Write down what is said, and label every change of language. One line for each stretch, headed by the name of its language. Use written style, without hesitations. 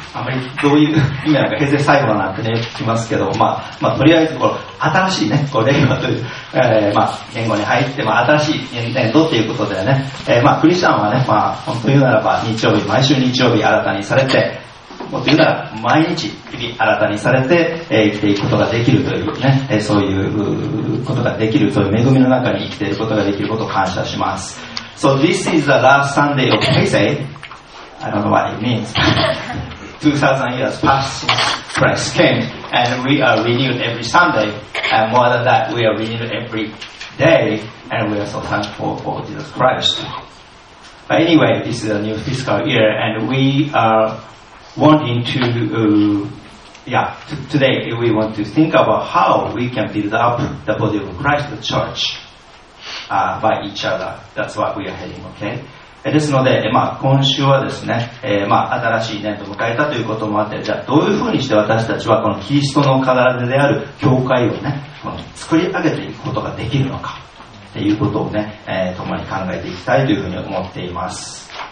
Japanese: あまりどういう意味なのか平成最後なんてね、聞きますけど、まあ、とりあえず、この、新しいね、こう、令和という、まあ、言語に入って、まあ、新しい年度ということでね、まあ、クリスチャンはね、まあ、本当に言うならば、日曜日、毎週日曜日新たにされて、もっと言うなら、毎日、日々新たにされて、生きていくことができるというね、そういうことができるという恵みの中に生きていることができることを感謝します。
English: So this is the last Sunday of Pisei. I don't know what it means. 2000 years passed since Christ came, and we are renewed every Sunday, and more than that, we are renewed every day, and we are so thankful for Jesus Christ. But anyway, this is a new fiscal year, and we are wanting to, today we want to think about how we can build up the body of Christ, the church, by each other. That's what we are heading, okay?
Japanese: ですので、まあ、今週はですね、まあ、新しい年度を迎えたということもあって、じゃあどういうふうにして私たちはこのキリストの体である教会をね、この作り上げていくことができるのか、ということをね、共に考えていきたいというふうに思っています。